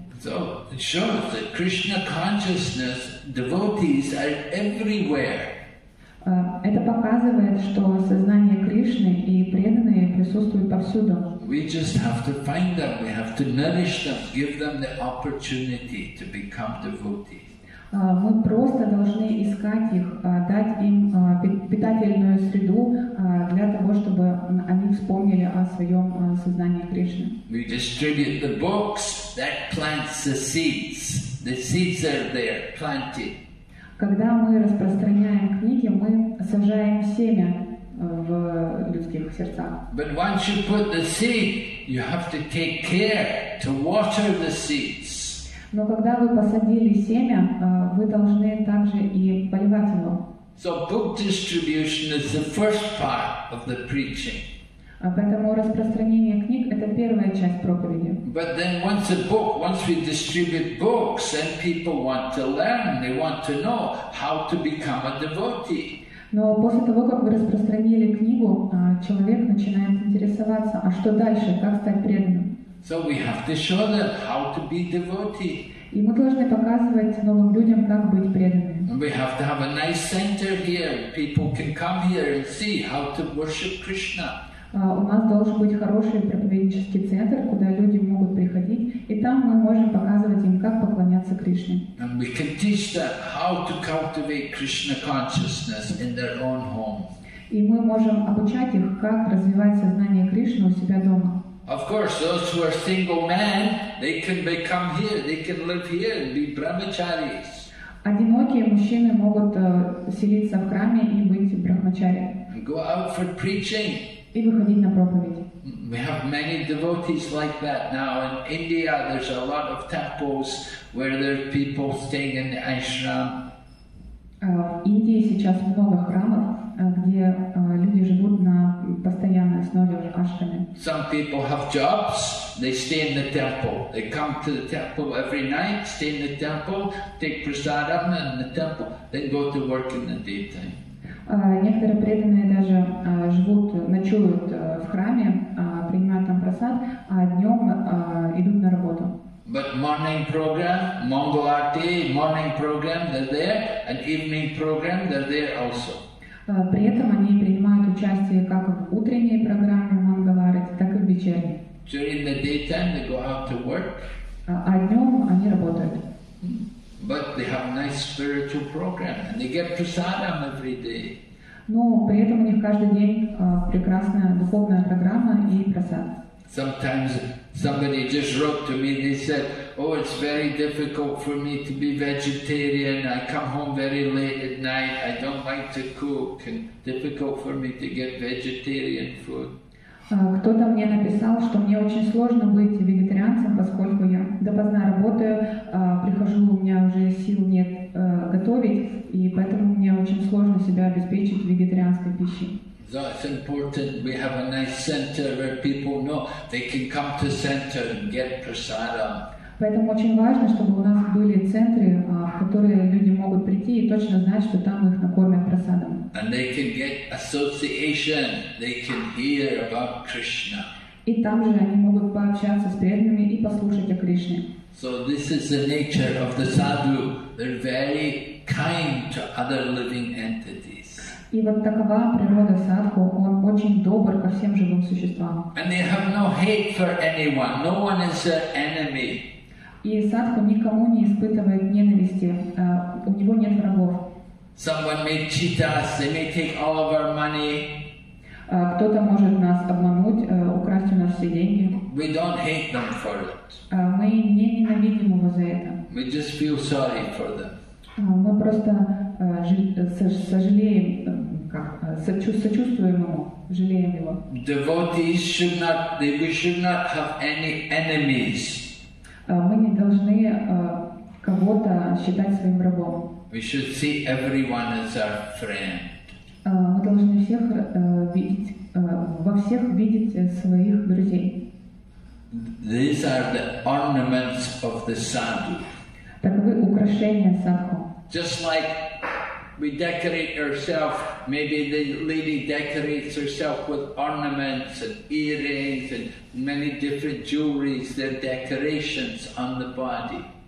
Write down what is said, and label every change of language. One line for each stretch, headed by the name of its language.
English: So it shows that Krishna consciousness devotees are everywhere.
Russian: Это показывает, что сознание Кришны и преданные присутствуют повсюду.
English: We just have to find them, we have to nourish them, give them the opportunity to become devotees.
Russian: Мы просто должны искать их, дать им питательную среду для того, чтобы они вспомнили о своем сознании Кришны.
English: We distribute the books that plants the seeds. The seeds are there, planted.
Russian: Когда мы распространяем книги, мы сажаем семя в людских сердцах.
English: But once you put the seed, you have to take care to water the seeds.
Russian: Но когда вы посадили семя, вы должны также и поливать его.
English: So book distribution is the first part of the preaching.
Russian: Поэтому распространение книг — это первая часть проповеди.
English: But then once a book, once we distribute books, then people want to learn, they want to know how to become a devotee.
Russian: Но после того, как вы распространили книгу, человек начинает интересоваться, а что дальше, как стать преданным?
English: So we have to show them how to be devotee.
Russian: И мы должны показывать новым людям, как быть преданными.
English: We have to have a nice center here. People can come here and see how to worship Krishna.
Russian: У нас должен быть хороший проповеднический центр, куда люди могут приходить, и там мы можем показывать им, как поклоняться Кришне.
English: And we can teach them how to cultivate Krishna consciousness in their own home.
Russian: И мы можем обучать их, как развивать сознание Кришны у себя дома.
English: Of course, those who are single men, they can become here, they can live here and be brahmacharis.
Russian: Одинокие мужчины могут селиться в храме и быть брахмачари.
English: And go out for preaching.
Russian: И выходить на проповеди.
English: We have many devotees like that now. In India, there's a lot of temples where there are people staying in the ashram.
Russian: В Индии сейчас много храмов, где люди живут на постоянной основе в ашраме.
English: Some people have jobs, they stay in the temple. They come to the temple every night, stay in the temple, take prasadam in the temple, then go to work in the daytime.
Russian: Некоторые преданные даже живут, ночуют в храме, принимают там прасад, а днем идут на работу.
English: But morning program, Mongol Arti, morning program, they're there, and evening program, they're there also.
Russian: При этом они принимают участие как в утренней программе Mongol Arti, так и в вечерней.
English: During the daytime, they go out to work.
Russian: А днем они работают.
English: But they have a nice spiritual program, and they get prasadam every day.
Russian: Но при этом у них каждый день прекрасная духовная программа и прасад.
English: Sometimes somebody just wrote to me, they said, oh, it's very difficult for me to be vegetarian, I come home very late at night, I don't like to cook, and difficult for me to get vegetarian food.
Russian: Кто-то мне написал, что мне очень сложно быть вегетарианцем, поскольку я допоздна работаю, прихожу, у меня уже сил нет готовить, и поэтому мне очень сложно себя обеспечить вегетарианской пищей.
English: So it's important we have a nice center where people know they can come to center and get prasadam.
Russian: Поэтому очень важно, чтобы у нас были центры, в которые люди могут прийти и точно знать, что там их накормят прасадом.
English: And they can get association, they can hear about Krishna.
Russian: И там же они могут пообщаться с преданными и послушать о Кришне.
English: So this is the nature of the sadhu. They're very kind to other living entities.
Russian: И вот такова природа садху, он очень добр ко всем живым существам.
English: And they have no hate for anyone. No one is their enemy.
Russian: И садху никому не испытывает ненависти, у него нет врагов.
English: Someone may cheat us, they may take all of our money.
Russian: Кто-то может нас обмануть, украсть у нас все деньги.
English: We don't hate them for it.
Russian: Мы не ненавидим его за это.
English: We just feel sorry for them.
Russian: Мы просто сожалеем, сочувствуем ему, жалеем его.
English: Devotees should not, we should not have any enemies.
Russian: Мы не должны кого-то считать своим врагом.
English: We should see everyone as our friend.
Russian: Мы должны всех видеть, во всех видеть своих друзей.
English: These are the ornaments of the sadhu.
Russian: Таковы украшения садху.
English: Just like we decorate ourselves, maybe the lady decorates herself with ornaments and earrings and many different jewelries, they're decorations on the body.